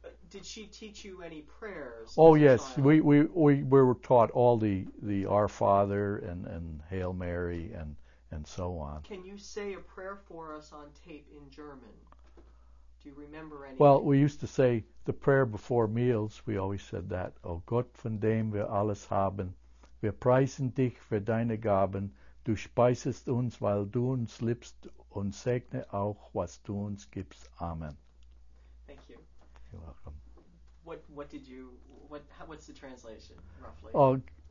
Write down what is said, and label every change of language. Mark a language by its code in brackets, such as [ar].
[en] Did she teach you any prayers? Oh, yes. We were taught all the Our Father and Hail Mary and so on. Can you say a prayer for us on tape in German? Do you remember any? Well, we used to say the prayer before meals. We always said that. [de] O Gott, von dem wir alles haben, wir preisen dich für deine Gaben. Du speisest uns, weil du uns liebst, und segne auch, was du uns gibst. Amen. [en] Thank you. You're welcome. What's the translation, roughly?